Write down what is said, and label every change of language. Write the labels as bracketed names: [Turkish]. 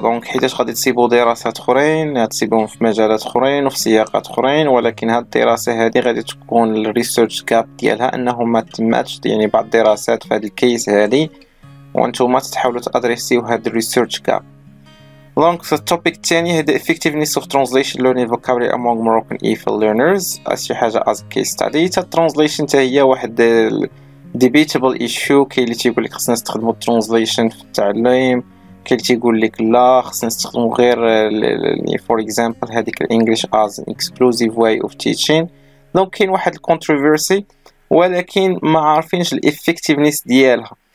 [Arabic] دونك حيتاش غادي تسيبو دراسات اخرين، تسيبوهم في مجالات اخرين وفي سياقات اخرين، ولكن هاد الدراسة هادي غادي تكون الريسيرش كاب ديالها انه ما تماتش، يعني بعض الدراسات في هاد الكيس هادي وانتوما تحاولوا تادريسيو هاد الريسيرش كاب. دونك في التوبيك الثاني هي [English] the effectiveness of translation learning vocabulary among Moroccan EFL learners. [Arabic] اشي حاجة [English] as case study. [Arabic] تا الترانزليشن تا هي واحد [English] debatable issue، [Arabic] كي اللي تيقول لك خصنا نستخدمو الترانزليشن في التعليم، كاين اللي يقول لك لا خصنا نستخدمو غير [English] for example [Arabic] هذيك [English] الانجليش is exclusive way of teaching. [Arabic] دونك كاين واحد الكونتروفيرسي ولكن ما عارفينش الافكتيفنس ديالها.